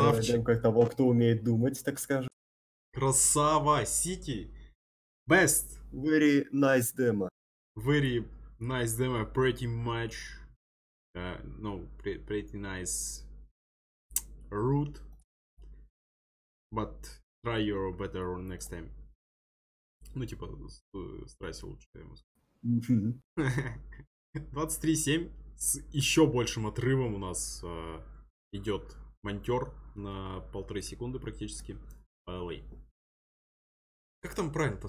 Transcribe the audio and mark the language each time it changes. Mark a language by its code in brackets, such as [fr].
[ru] Первая демка того, кто умеет думать, так скажем. Красава! Сити! Best! [en] Very nice demo. Very nice demo, pretty much. No, pretty nice route. But try your better next time. [ru] Ну, типа, старайся лучше, я ему скажу. 23.7. С еще большим отрывом у нас идет монтер на 1.5 секунды практически. Play. Как там правильно-то?